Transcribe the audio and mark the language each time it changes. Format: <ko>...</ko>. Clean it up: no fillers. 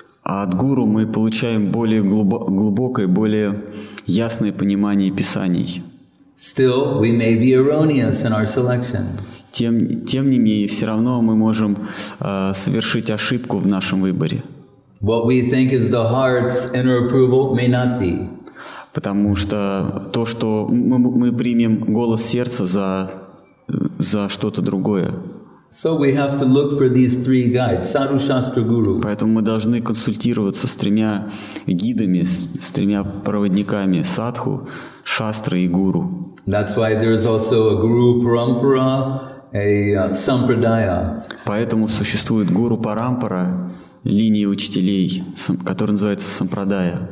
<ru>А от гуру мы получаем более глубокое, более ясное понимание писаний.</ru> <en>Still, we may be erroneous in our selection.</en> <ru>Тем не менее, все равно мы можем совершить ошибку в нашем выборе.</ru> <en>What we think is the heart's inner approval may not be.</en> <ru>Потому что то, что мы примем голос сердца за что-то другое.</ru> <en>So we have to look for these three guides, Sadhu, Shastra, Guru.</en> <ru>Поэтому мы должны консультироваться с тремя гидами, с тремя проводниками, Садху, Шастра и Гуру.</ru> <en>That's why there is also a Guru Parampara, a Sampradaya.</en> <ru>Поэтому существует Гуру Парампара, линия учителей, которая называется Сампрадая.</ru>